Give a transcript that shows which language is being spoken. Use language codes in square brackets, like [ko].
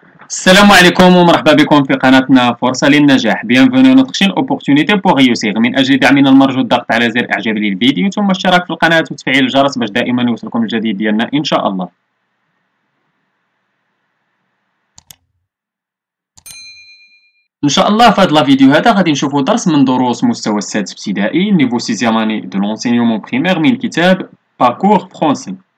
[ar] السلام عليكم ومرحبا بكم في قناتنا فرصة للنجاح. [fr] bienvenue notre chaîne opportunité pour réussir. [ar] من اجل دعمنا المرجو الضغط على زر اعجاب للفيديو ثم الاشتراك في القناة وتفعيل الجرس باش دائما يوصلكم الجديد ديالنا ان شاء الله. ان شاء الله في هذا الفيديو هذا غادي نشوفوا درس من دروس مستوى السادس ابتدائي [fr] نيفو 6 اماني دو لونسينيومون بريمير [ar] من كتاب باكور فرونسي.